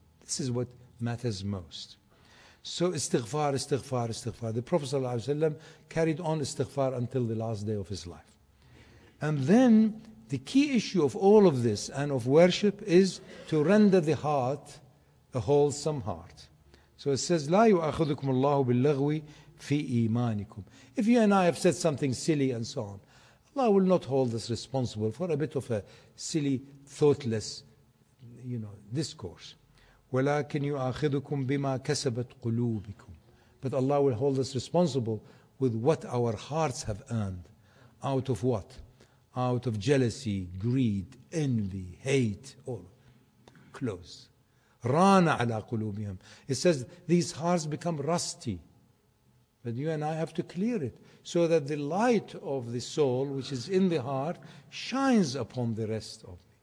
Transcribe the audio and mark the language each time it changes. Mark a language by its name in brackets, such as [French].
[English] This is what matters most. So istighfar, istighfar, istighfar. The Prophet sallallahu alaihi wasallam carried on istighfar until the last day of his life. And then the key issue of all of this and of worship is to render the heart a wholesome heart. [Arabic] So it says, لا يؤخذكم الله باللغو في إيمانكم. [English] If you and I have said something silly and so on, Allah will not hold us responsible for a bit of a silly, thoughtless, you know, discourse. [Arabic] ولكن يؤاخذكم بما كسبت قلوبكم. [English] But Allah will hold us responsible with what our hearts have earned. Out of what? Out of jealousy, greed, envy, hate, all. Close. [Arabic] رانا على قلوبهم. [English] It says these hearts become rusty. But you and I have to clear it so that the light of the soul, which is in the heart, shines upon the rest of me.